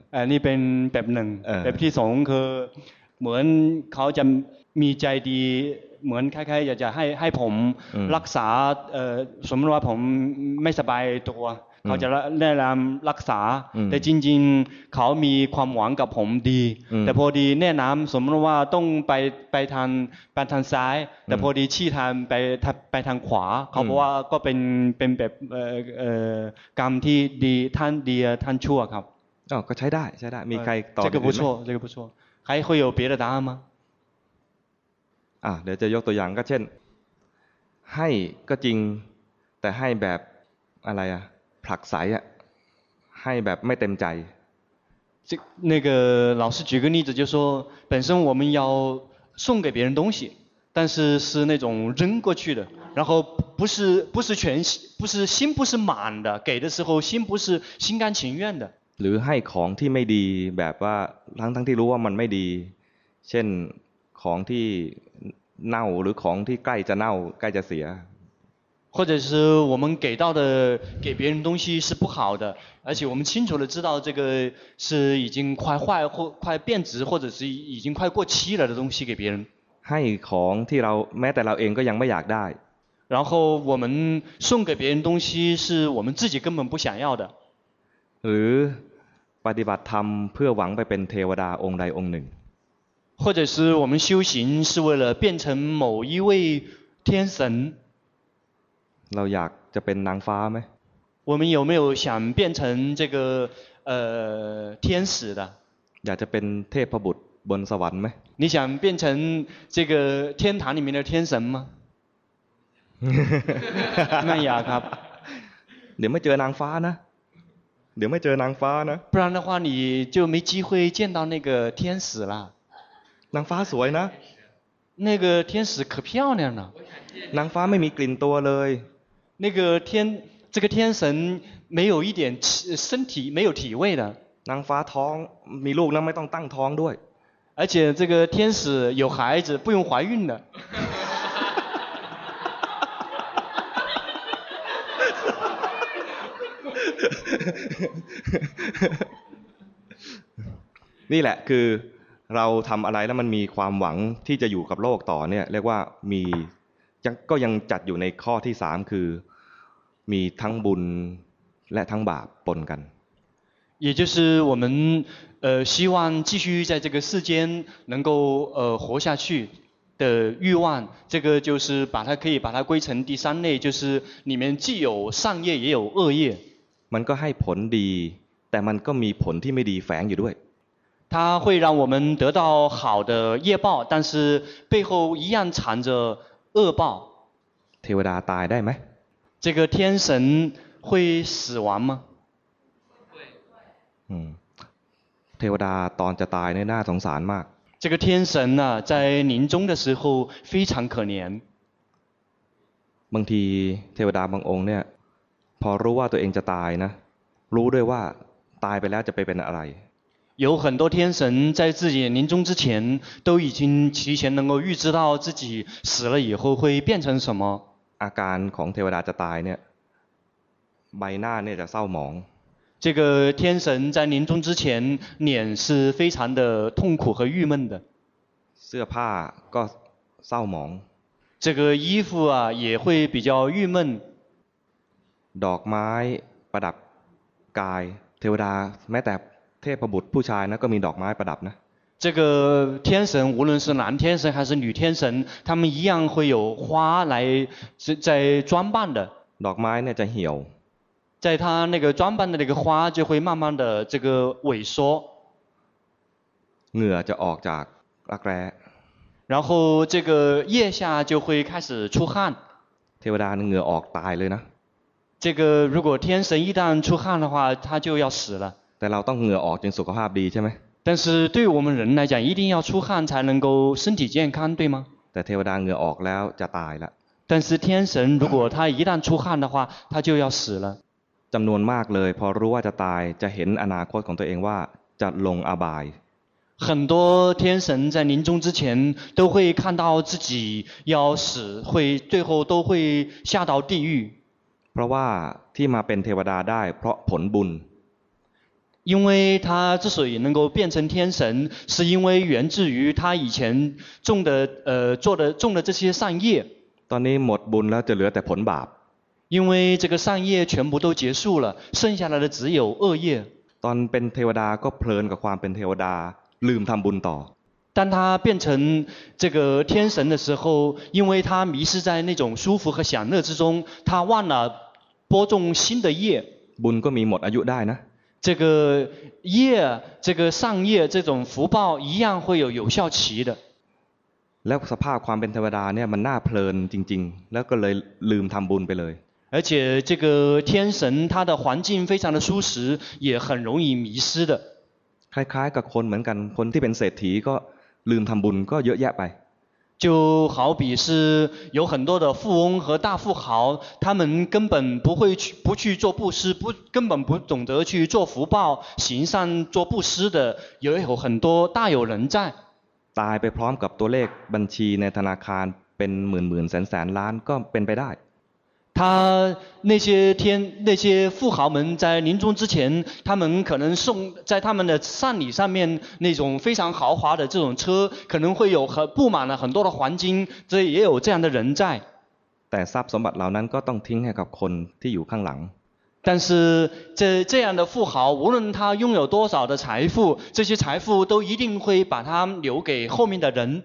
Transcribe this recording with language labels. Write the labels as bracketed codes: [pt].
[th] นี่เป็นแบบหนึ่งแบบที่สองคือเหมือนเขาจะมีใจดีเหมือนคล้ายๆอยากจะให้ผมรักษาสมมติว่าผมไม่สบายตัวเขาจะแนะนำรักษาแต่จริงๆเขามีความหวังกับผมดีแต่พอดีแนะนำสมมติว่าต้องไปทางซ้ายแต่พอดีชี้ทางไปทางขวาเขาบอกว่าก็เป็นแบบกรรมที่ดีท่านดีท่านชั่วครับ อ๋อก็ใช้ได้มีใครตอบ [zh] 这个不错这个不错还会有别的答案吗 [th] เดี๋ยวจะยกตัวอย่างก็เช่นให้ก็จริงแต่ให้แบบอะไรผลักใสให้แบบไม่เต็มใจ [zh] 那个老师举个例子就说本身我们要送给别人东西但是是那种扔过去的然后不是全不是心不是满的给的时候心不是心甘情愿的 [th] หรือให้ของที่ไม่ดีแบบว่าทั้งที่รู้ว่ามันไม่ดีเช่นของที่เน่าหรือของที่ใกล้จะเน่าใกล้จะเสีย [zh] 或者是我们给到的给别人东西是不好的而且我们清楚地知道这个是已经快坏或快变质或者是已经快过期了的东西给别人 [th] ให้ของที่เราแม้แต่เราเองก็ยังไม่อยากได้ [zh] 然后我们送给别人东西是我们自己根本不想要的 [th] หรือปฏิบัติธรรมเพื่อหวังไปเป็นเทวดาองค์ใดองค์หนึ่ง [zh] 或者是我们修行是为了变成某一位天神 [th] เราอยากจะเป็นนางฟ้าไหม [zh] 我们有没有想变成这个天使的 [th] อยากจะเป็นเทพบุตรบนสวรรค์ไหม [zh] 你想变成这个天堂里面的天神吗 [th] ไม่อยากครับ เดี๋ยวไม่เจอนางฟ้านะเดี๋ยวไม่เจอนางฟ้านะ [zh] 不然的话你就没机会见到那个天使了 [th] นางฟ้าสวยนะ [zh] 那个天使可漂亮了 [th] นางฟ้าไม่มีกลิ่นตัวเลย [zh] 那个天这个天神没有一点身体没有体味的 [th] นางฟ้าท้องมีลูกนะไม่ต้องตั้งท้องด้วย [zh] 而且这个天使有孩子不用怀孕的 [th] นี่แหละคือเราทำอะไรแล้วมันมีความหวังที่จะอยู่กับโลกต่อเนี่ยเรียกว่ามีก็ยังจัดอยู่ในข้อที่3คือมีทั้งบุญและทั้งบาปปนกัน [zh] 也就是我们希望继续在这个世间能够活下去的欲望，这个就是把它可以把它归成第三类，就是里面既有善业也有恶业。 [th] มันก็ให้ผลดีแต่มันก็มีผลที่ไม่ดีแฝงอยู่ด้วย [zh] 它会让我们得到好的业报，但是背后一样藏着恶报。 [th] เทวดาตายได้ไหม？ [zh] 这个天神会死亡吗？会。 [th] เทวดาตอนจะตายเนี่ยน่าสงสารมาก。 [zh] 这个天神呢，在临终的时候非常可怜。 [th] บางทีเทวดาบางองค์เนี่ยพอรู้ว่าตัวเองจะตายนะรู้ด้วยว่าตายไปแล้วจะไปเป็นอะไร。 [zh] 有很多天神在自己临终之前都已经提前能够预知到自己死了以后会变成什么。 [th] อาการของเทวดาจะตายเนี่ยใบหน้าเนี่ยจะเศร้าหมอง。 [zh] 这个天神在临终之前脸是非常的痛苦和郁闷的。 [th] เสื้อผ้าก็เศร้าหมอง。 [zh] 这个衣服啊也会比较郁闷。 [th] ดอกไม้ประดับกายเทวดาแม้แต่เทพบุตรผู้ชายนะก็มีดอกไม้ประดับนะ。 [zh] 这个天神无论是男天神还是女天神，他们一样会有花来在装扮的。 [th] ดอกไม้เนี่ยจะเหี่ยว。 [zh] 在他那个装扮的那个花就会慢慢的这个萎缩。 [th] เหงื่อจะออกจากรักแร้。 [zh] 然后这个腋下就会开始出汗。 [th] เทวดาเหงื่อออกตายเลยนะ。 [zh] 这个如果天神一旦出汗的话，他就要死了。 [th] แต่เราต้องเหงื่อออกจนสุขภาพดีใช่ไหม？ [zh] 但是对我们人来讲，一定要出汗才能够身体健康，对吗？ [th] แต่เทวดาเหงื่อออกแล้วจะตายละ。 [zh] 但是天神如果他一旦出汗的话，他就要死了。 [th] จำนวนมากเลยพอรู้ว่าจะตายจะเห็นอนาคตของตัวเองว่าจะลงอบาย。 [zh] 很多天神在临终之前都会看到自己要死，会最后都会下到地狱。 [th] เพราะว่าที่มาเป็นเทวดาได้เพราะผลบุญ。 [zh] 因为他之所以能够变成天神，是因为源自于他以前种的种的这些善业。 [th] ตอนนี้หมดบุญแล้วจะเหลือแต่ผลบาป。 [zh] 因为这个善业全部都结束了，剩下来的只有恶业。 [th] ตอนเป็นเทวดาก็เพลินกับความเป็นเทวดาลืมทำบุญต่อ。 [zh] 当他变成这个天神的时候，因为他迷失在那种舒服和享乐之中，他忘了播种新的业。 [th] บุญก็มีหมดอายุได้นะ。 [zh] 这个业，这个善业，这种福报一样会有有效期的。 [th] แล้วสภาพความเป็นเทวดาเนี่ยมันน่าเพลินจริงๆแล้วก็เลยลืมทำบุญไปเลย。 [zh] 而且这个天神他的环境非常的舒适，也很容易迷失的。 [th] คล้ายๆกับคนเหมือนกันคนที่เป็นเศรษฐีก็ลืมทำบุญก็เยอะแยะไป。 [zh] 就好比是有很多的富翁和大富豪，他们根本不会去不去做布施，不根本不懂得去做福报行善做布施的，也有很多大有人在。 [th] ตายไปพร้อมกับตัวเลขบัญชีในธนาคารเป็นหมื่นหมื่นแสนแสนล้านก็เป็นไปได้。 [zh] 他那些天那些富豪们在临终之前，他们可能送在他们的丧礼上面那种非常豪华的这种车，可能会有很布满了很多的黄金，这也有这样的人在。 [th] แต่ทรัพย์สมบัติเหล่านั้นก็ต้องทิ้งให้กับคนที่อยู่ข้างหลัง。 [zh] 但是这样的富豪，无论他拥有多少的财富，这些财富都一定会把他留给后面的人。